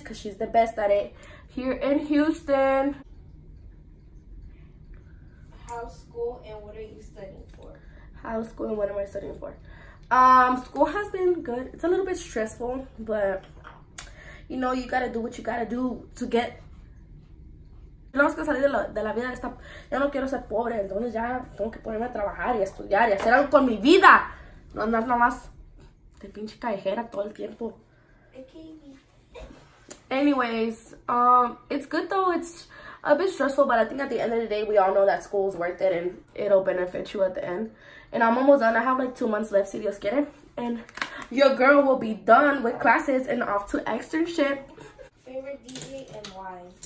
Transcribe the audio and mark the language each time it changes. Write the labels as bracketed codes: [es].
[en] Because she's the best at it here in Houston. How's school and what are you studying for? School has been good. It's a little bit stressful, but you know, you gotta do what you gotta do to get. [es] No es que salir de la vida esta. Yo no quiero ser pobre, entonces ya tengo que ponerme a trabajar y estudiar y hacer algo con mi vida. No andar nomás de pinche callejera todo el tiempo. [en] Anyways, it's good though. It's a bit stressful, but I think at the end of the day, we all know that school is worth it and it'll benefit you at the end. And I'm almost done. I have like 2 months left, [es] si Dios quiere. [en] And your girl will be done with classes and off to externship. Favorite DJ and why?